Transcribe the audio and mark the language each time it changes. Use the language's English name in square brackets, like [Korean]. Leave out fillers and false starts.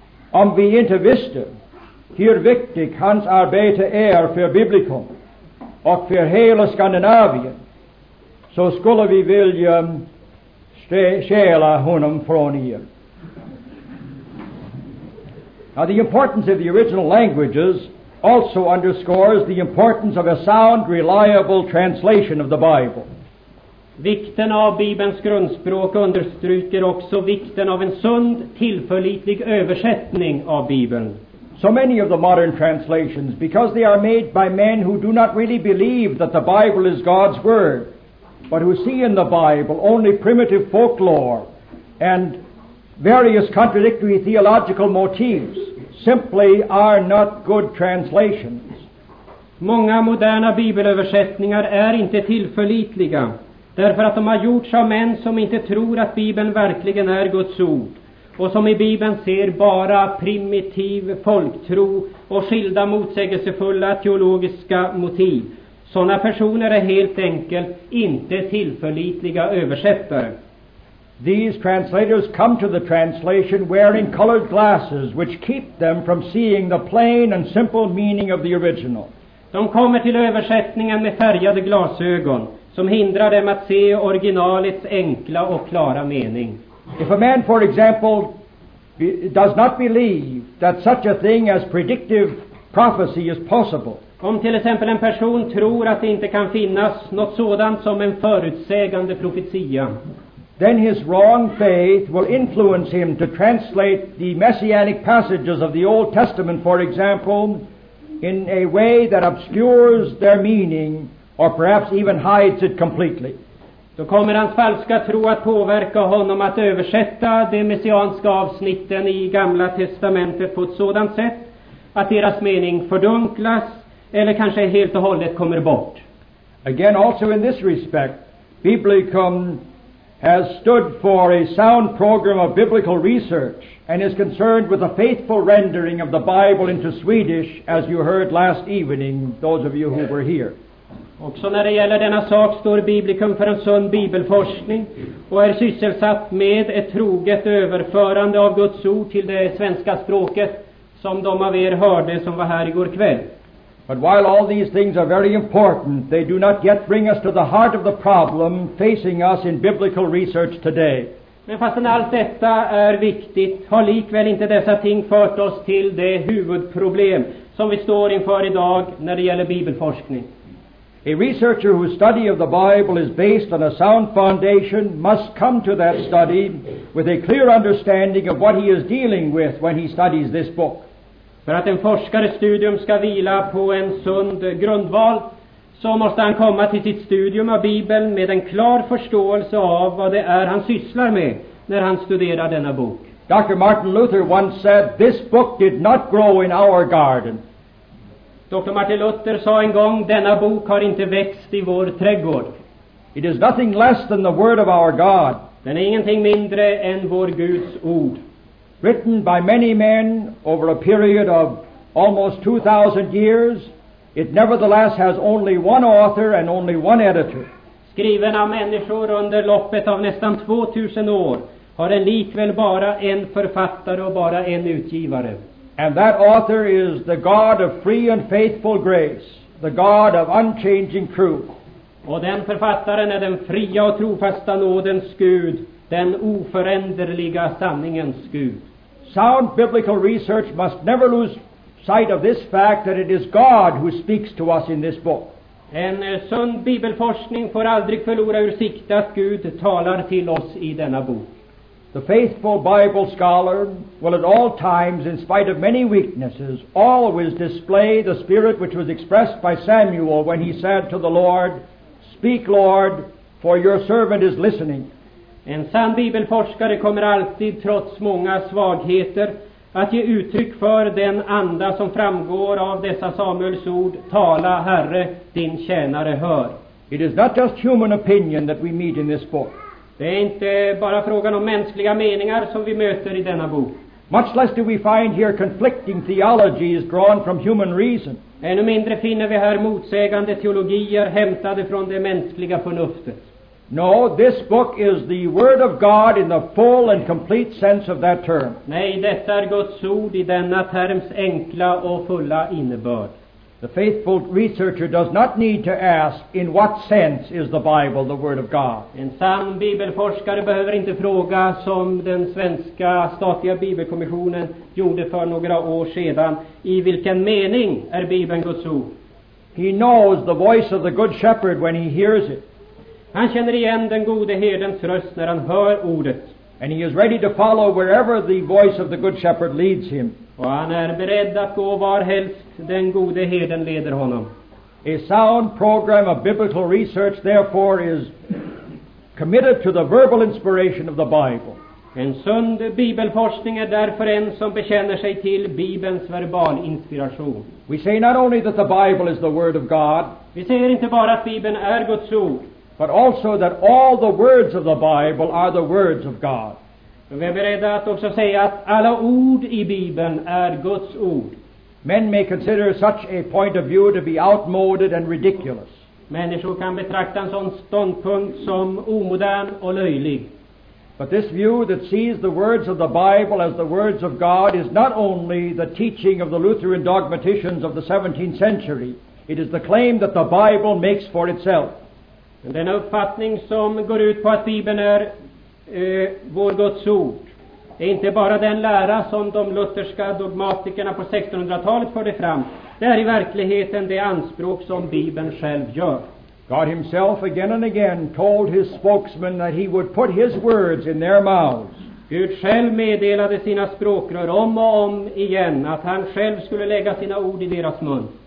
[Swedish] Om vi inte visste hur viktigt hans arbete är för Biblicum och för hela Skandinavien, så skulle vi vilja stjäla honom från er. [English] Now, the importance of the original languages also underscores the importance of a sound, reliable translation of the Bible. [Swedish] Vikten av Bibelns grundspråk understryker också vikten av en sund, tillförlitlig översättning av Bibeln. [English] So many of the modern translations, because they are made by men who do not really believe that the Bible is God's word, but who see in the Bible only primitive folklore and various contradictory theological motifs, simply are not good translations. [Swedish] Många moderna bibelöversättningar är inte tillförlitliga, därför att de har gjorts av män som inte tror att Bibeln verkligen är Guds ord, och som i Bibeln ser bara primitiv folktro och skilda motsägelsefulla teologiska motiv. Sådana personer är helt enkelt inte tillförlitliga översättare. [English] These translators come to the translation wearing colored glasses, which keep them from seeing the plain and simple meaning of the original. [Swedish] De kommer till översättningen med färgade glasögon som hindrar dem att se originalets enkla och klara mening. [English] If a man, for example, does not believe that such a thing as predictive prophecy is possible. [Swedish] Om till exempel en person tror att det inte kan finnas något sådant som en förutsägande profetia, [English] then his wrong faith will influence him to translate the messianic passages of the Old Testament, for example, in a way that obscures their meaning or perhaps even hides it completely. [Swedish] Då kommer hans falska tro att påverka honom att översätta de messianska avsnitten i Gamla testamentet på ett sådant sätt att deras mening fördunklas eller kanske helt och hållet kommer bort. [English] Again, also in this respect, Biblicum has stood for a sound program of biblical research and is concerned with a faithful rendering of the Bible into Swedish, as you heard last evening, those of you who were here. [Swedish] Också när det gäller denna sak står Biblicum för en sund bibelforskning och är sysselsatt med ett troget överförande av Guds ord till det svenska språket, som de av er hörde som var här igår kväll. [English] But while all these things are very important, they do not yet bring us to the heart of the problem facing us in biblical research today. [Swedish] Men fastän allt detta är viktigt, har likväl inte dessa ting fört oss till det huvudproblem som vi står inför idag när det gäller bibelforskning. [English] A researcher whose study of the Bible is based on a sound foundation must come to that study with a clear understanding of what he is dealing with when he studies this book. [Swedish] För att en forskares studium ska vila på en sund grundval, så måste han komma till sitt studium av Bibeln med en klar förståelse av vad det är han sysslar med när han studerar denna bok. [English] Dr. Martin Luther once said, "This book did not grow in our garden." [Swedish] Dr. Martin Luther sa en gång, denna bok har inte växt i vår trädgård. [English] It is nothing less than the word of our God. [Swedish] Den är ingenting mindre än vår Guds ord. [English] Written by many men over a period of almost 2,000 years, it nevertheless has only one author and only one editor. [Swedish] Skriven av människor under loppet av nästan 2,000 år har den likväl bara en författare och bara en utgivare. [English] And that author is the God of free and faithful grace, the God of unchanging truth. [Swedish] Och den författaren är den fria och trofasta nådens Gud, den oföränderliga sanningens Gud. [English] Sound biblical research must never lose sight of this fact that it is God who speaks to us in this book. [Swedish] En sund bibelforskning får aldrig förlora ur sikt att Gud talar till oss i denna bok. [English] The faithful Bible scholar will at all times, in spite of many weaknesses, always display the spirit which was expressed by Samuel when he said to the Lord, "Speak, Lord, for your servant is listening." [Swedish] En sann bibelforskare kommer alltid, trots många svagheter, att ge uttryck för den anda som framgår av dessa Samuels ord, "Tala, Herre, din tjänare hör." [English] It is not just human opinion that we meet in this book. [Swedish] Det är inte bara frågan om mänskliga meningar som vi möter i denna bok. [English] Much less do we find here conflicting theologies drawn from human reason. [Swedish] Ännu mindre finner vi här motsägande teologier hämtade från det mänskliga förnuftet. [English] No, this book is the word of God in the full and complete sense of that term. [Swedish] Nej, detta är Guds ord i denna terms enkla och fulla innebörd. [English] The faithful researcher does not need to ask, in what sense is the Bible the word of God? [Swedish] En sann bibelforskare behöver inte fråga som den svenska statliga bibelkommissionen gjorde för några år sedan, i vilken mening är Bibeln Guds ord? [English] He knows the voice of the good shepherd when he hears it. [Swedish] Han känner igen den gode herdens röst när han hör ordet. [English] And he is ready to follow wherever the voice of the good shepherd leads him. [Swedish] Och han är beredd att gå var helst den gode herden leder honom. [English] A sound program of biblical research, therefore, is committed to the verbal inspiration of the Bible. [Swedish] En sund bibelforskning är därför en som bekänner sig till Bibelns verbalinspiration. [English] We say not only that the Bible is the word of God. [Swedish] Vi säger inte bara att Bibeln är Guds ord. [English] But also that all the words of the Bible are the words of God. [Swedish] Vi är beredda att också säga att alla ord i Bibeln är Guds ord. [English] Men may consider such a point of view to be outmoded and ridiculous. [Swedish] Människor kan betrakta en sån ståndpunkt som omodern och löjlig. [English] But this view that sees the words of the Bible as the words of God is not only the teaching of the Lutheran dogmaticians of the 17th century. It is the claim that the Bible makes for itself. [Swedish] Den uppfattning som går ut på att Bibeln är vår Guds ord är inte bara den lära som de lutherska dogmatikerna på 1600-talet förde fram. Det är i verkligheten det anspråk som Bibeln själv gör. [English] God himself again and again told his spokesman that he would put his words in their mouths. [Swedish] Gud själv meddelade sina språkrör om och om igen att han själv skulle lägga sina ord i deras mun.